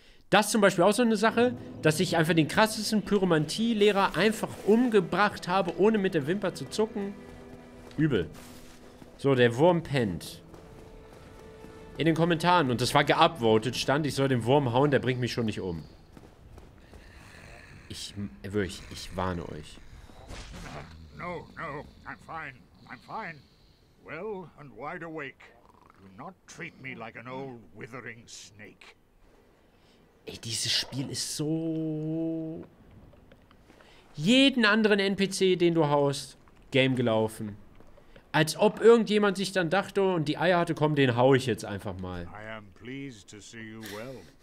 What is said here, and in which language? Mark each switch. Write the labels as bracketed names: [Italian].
[German] Das zum Beispiel auch so eine Sache, dass ich einfach den krassesten Pyromantie-Lehrer einfach umgebracht habe, ohne mit der Wimper zu zucken. Übel. So, der Wurm pennt. In den Kommentaren, und das war geupvoted, stand, ich soll den Wurm hauen, der bringt mich schon nicht um. Ich warne euch. [English] No, no, I'm fine, well and wide awake. Do not treat me like an old withering snake. [German] Ey, dieses Spiel ist so... Jeden anderen NPC, den du haust, Game gelaufen. Als ob irgendjemand sich dann dachte und die Eier hatte, komm, den hau ich jetzt einfach mal. [English] I am pleased to see you well.